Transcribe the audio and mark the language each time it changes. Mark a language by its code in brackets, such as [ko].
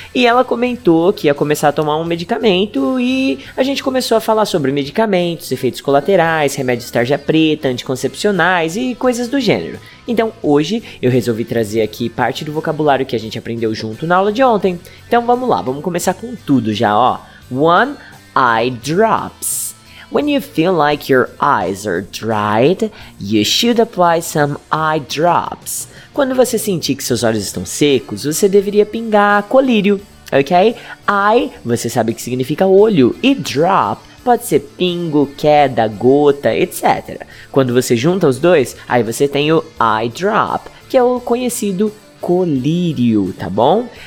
[pt] E ela comentou que ia começar a tomar um medicamento e a gente começou a falar sobre medicamentos, efeitos colaterais, remédios tarja preta, anticoncepcionais e coisas do gênero. Então, hoje, eu resolvi trazer aqui parte do vocabulário que a gente aprendeu junto na aula de ontem. Então, vamos lá, vamos começar com tudo já, ó. [en] One eye drops. When you feel like your eyes are dried, you should apply some eye drops. [pt] Quando você sentir que seus olhos estão secos, você deveria pingar colírio, ok? Eye, você sabe que significa olho. E drop, pode ser pingo, queda, gota, etc. Quando você junta os dois, aí você tem o eye drop, que é o conhecido colírio, tá bom?